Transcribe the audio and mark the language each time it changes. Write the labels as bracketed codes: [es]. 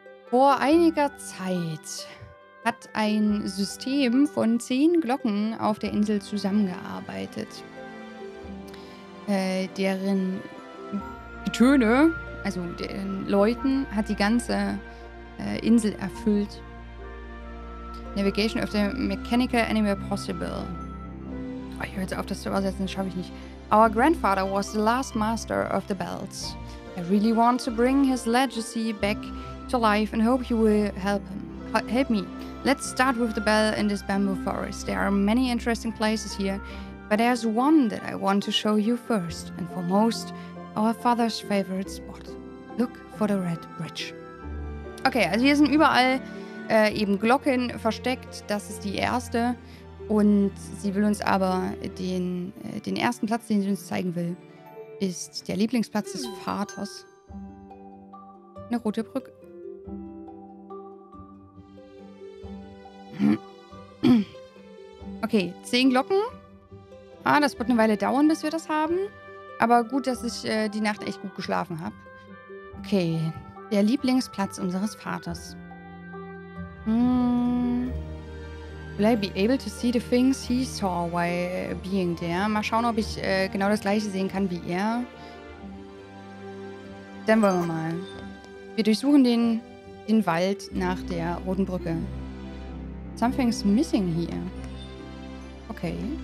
[de] Vor einiger Zeit hat ein System von 10 Glocken auf der Insel zusammengearbeitet, deren Töne, also deren Läuten, hat die ganze Insel erfüllt. [en] Navigation of the mechanical animal possible. [de] Oh, ich höre jetzt auf, das zu übersetzen, das schaffe ich nicht. [en] Our grandfather was the last master of the bells. I really want to bring his legacy back to life and hope you will help me. Let's start with the bell in this bamboo forest. There are many interesting places here, but there's one that I want to show you first and foremost, our father's favorite spot. Look for the red bridge. [de] Okay, also hier sind überall eben Glocken versteckt. Das ist die erste und sie will uns aber den ersten Platz, den sie uns zeigen will, ist der Lieblingsplatz des Vaters. Eine rote Brücke. Okay, 10 Glocken. Ah, das wird eine Weile dauern, bis wir das haben. Aber gut, dass ich die Nacht echt gut geschlafen habe. Okay, der Lieblingsplatz unseres Vaters. [en] Will I be able to see the things he saw while being there? [de] Mal schauen, ob ich genau das gleiche sehen kann wie er. Dann wollen wir mal. Wir durchsuchen den Wald nach der Roten Brücke. [en] Something's missing here. Okay.